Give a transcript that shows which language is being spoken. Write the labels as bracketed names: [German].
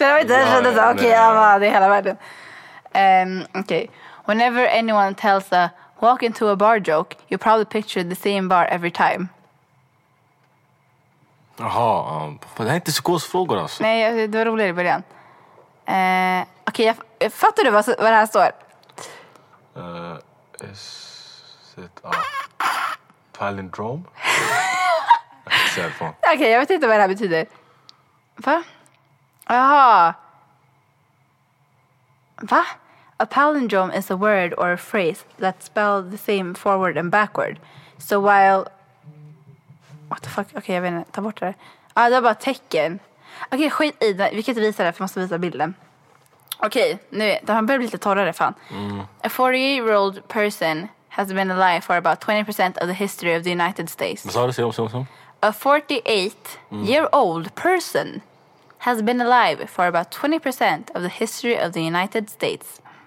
[Swedish] Det är hela världen. Okay. [English] Whenever anyone tells a walk into a bar joke, you probably picture the same bar every time. [Swedish] Jaha, det här är inte skåsfrågor alltså. Nej, det var roligare i början. Okej, okay, fattar du vad det här står? [English] Is it a palindrome? [Swedish] Okej, jag vet inte vad det här betyder. Va? Jaha. Va? [English] A palindrome is a word or a phrase that spells the same forward and backward. [Swedish] So while... What the fuck? Okej, jag vet inte. Ta bort det där. Ah, det var bara tecken. Okej, okay, skit i det. Vi kan inte visa det, för jag måste visa bilden. Okej, okay, nu. Det här börjar bli lite torrare, fan. Mm. [English] A 48-year-old person has been alive for about 20% of the history of the United States. [Swedish] Vad sa du? Se om. [English] A 48-year-old person has been alive for about 20% of the history of the United States.